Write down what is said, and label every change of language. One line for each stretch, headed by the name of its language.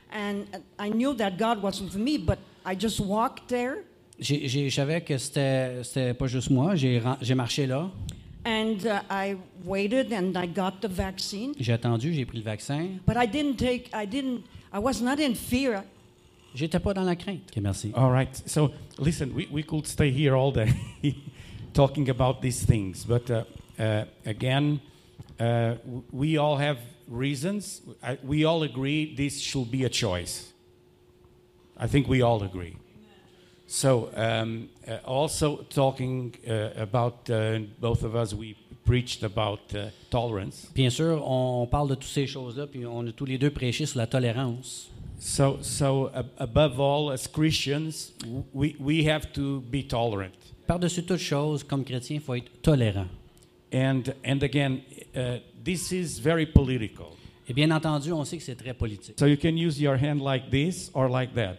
English: And I knew that God was with me, but I just walked there.
French: Je savais que c'était pas juste moi, j'ai marché là.
English: And I waited and I got the vaccine.
French: J'ai attendu, j'ai pris le vaccin.
English: But I was not in fear.
French: J'étais pas dans la crainte. Okay, merci.
English: All right. So listen, we could stay here all day talking about these things, but again, we all have reasons. We all agree this should be a choice. I think we all agree. So, also talking about both of us, we preached about tolerance.
French: Bien sûr, on parle de toutes ces choses-là, puis on a tous les deux prêché sur la tolérance.
English: So above all, as Christians, we have to be tolerant.
French: Par-dessus toute chose, comme chrétien, il faut être tolérant.
English: And again, this is very political.
French: Et bien entendu, on sait que c'est très politique.
English: So you can use your hand like this or like that.